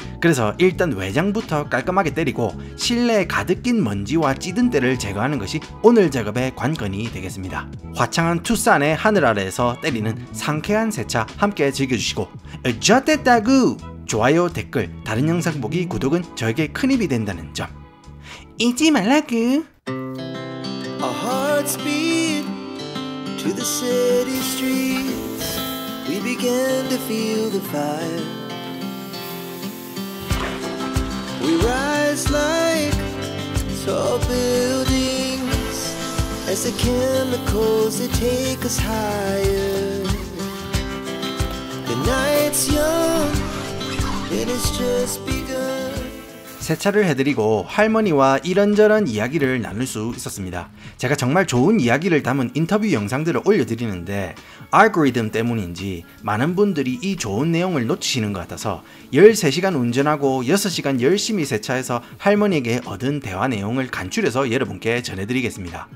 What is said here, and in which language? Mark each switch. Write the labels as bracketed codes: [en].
[ko] 그래서 일단 외장부터 깔끔하게 때리고 실내에 가득 낀 먼지와 찌든 때를 제거하는 것이 오늘 작업의 관건이 되겠습니다. 화창한 투싼의 하늘 아래에서 때리는 상쾌한 세차 함께 즐겨주시고 어쩌댔다구! 좋아요, 댓글, 다른 영상 보기, 구독은 저에게 큰 힘이 된다는 점 잊지 말라구! [en] Our hearts beat to the city streets. We begin to feel the fire. We rise like tall buildings as the chemicals they take us higher. The night's young and it's just begun. [ko] 세차를 해드리고 할머니와 이런저런 이야기를 나눌 수 있었습니다. 제가 정말 좋은 이야기를 담은 인터뷰 영상들을 올려드리는데 알고리즘 때문인지 많은 분들이 이 좋은 내용을 놓치시는 것 같아서 13시간 운전하고 6시간 열심히 세차해서 할머니에게 얻은 대화 내용을 간추려서 여러분께 전해드리겠습니다.